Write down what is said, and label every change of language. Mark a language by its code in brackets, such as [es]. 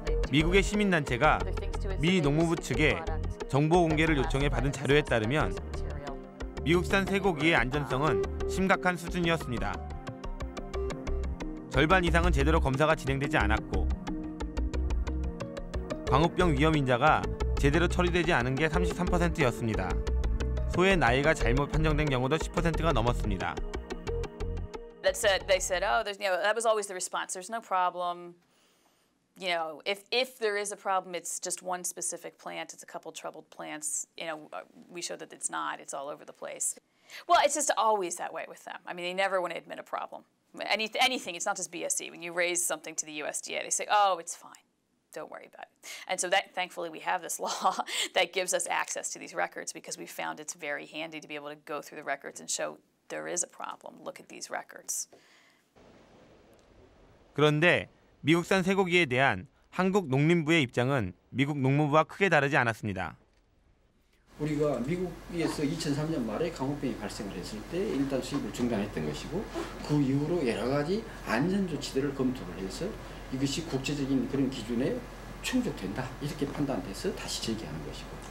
[ko] 미국의 시민단체가 미 농무부 측에 정보 공개를 요청해 받은 자료에 따르면 미국산 쇠고기의 안전성은 심각한 수준이었습니다. 절반 이상은 제대로 검사가 진행되지 않았고 광우병 위험 인자가 제대로 처리되지 않은 게 33%였습니다. 소의 나이가 잘못 판정된 경우도 10%가 넘었습니다. [en] That said, they said, "Oh, there's, you know, that was always the response. There's no problem. You know, if there is a problem, it's just one specific plant. It's a couple troubled plants. You know, we show that it's not. It's all over the place. Well, it's just always that way with them. I mean, they never want to admit a problem. Anything. It's not just BSE. When you raise something to the USDA, they say, "Oh, it's fine." Don't worry about it. And so that, thankfully, we have this law that gives us access to these records because we found it's very handy to be able to go through the records and show there is a problem. Look at these records. [ko] 그런데 미국산 쇠고기에 대한 한국 농림부의 입장은 미국 농무부와 크게 다르지 않았습니다. 우리가 미국에서 2003년 말에 광우병이 발생을 했을 때 일단 수입을 중단했던 것이고 그 이후로 여러 가지 안전 조치들을 검토를 해서 이것이 국제적인 그런 기준에 충족된다 이렇게 판단돼서 다시 제기하는 것이고